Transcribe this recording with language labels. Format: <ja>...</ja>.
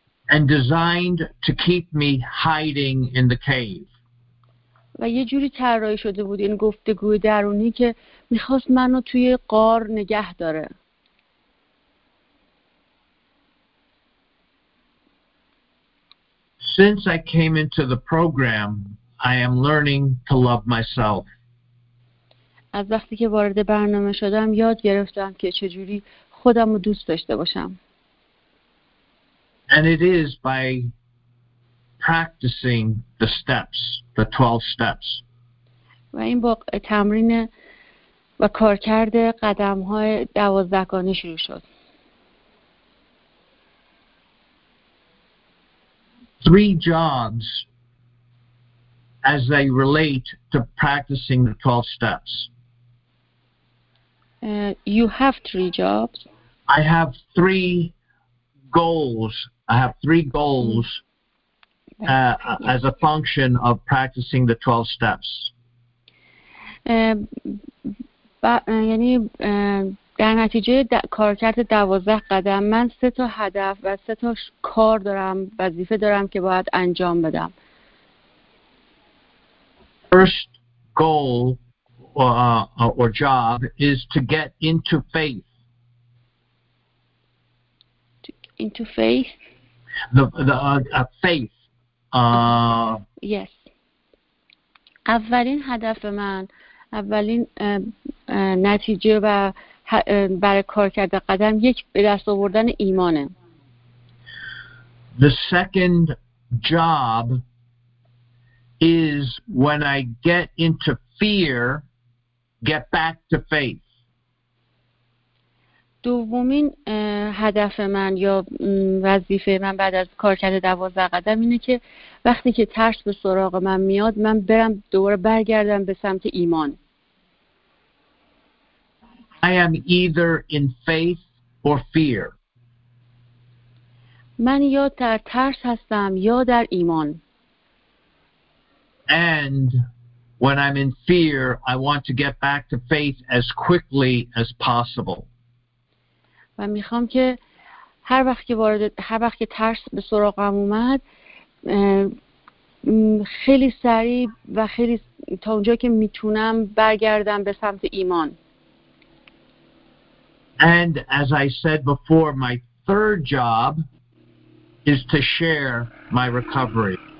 <en>And designed to keep me hiding in the cave.</en> <fa>و یه جوری طراحی شده بود این گفتگوی درونی که میخواست منو توی غار نگه داره.</fa> <en>Since I came into the program, I am learning to love myself.</en> <fa>از وقتی که وارد برنامه شدم یاد گرفتم که چجوری خودم رو دوست داشته باشم.</fa> <en>And it is by practicing the steps, the 12 steps.</en> <fa>و این با تمرین و کارکرد قدم‌های 12 گانه شروع شد.</fa> <en>3 jobs as they relate to practicing the 12 steps. You have 3 jobs. I have 3 goals. I have 3 goals as a function of practicing the 12 steps.</en> <fa>یعنی در نتیجه کارکرد 12 قدم من 3 تا هدف و 3 تا کار دارم، وظیفه دارم که باید انجام بدم.</fa> <en>First goal or job is to get into faith. Into faith? The faith. Yes.</en> <fa>اولین هدف من، اولین نتیجه و برای کار کرده قدم یک به دست آوردن ایمانه.</fa> <en>The second job is when I get into fear, get back to faith.</en> <fa>دومین هدف من یا وظیفه من بعد از کار کرده 12 قدم اینه که وقتی که ترس به سراغ من میاد من برم دوباره برگردم به سمت ایمان.</fa> <en>I am either in faith or fear.</en> <fa>من یا در ترس هستم یا در ایمان.</fa> <en>And when I'm in fear, I want to get back to faith as quickly as possible.</en> <fa>و میخوام که هر وقت که ترس به سراغم اومد خیلی سریع و خیلی تا اونجا که میتونم برگردم به سمت ایمان.</fa> <en>And as I said before, my third job is to share my recovery.</en>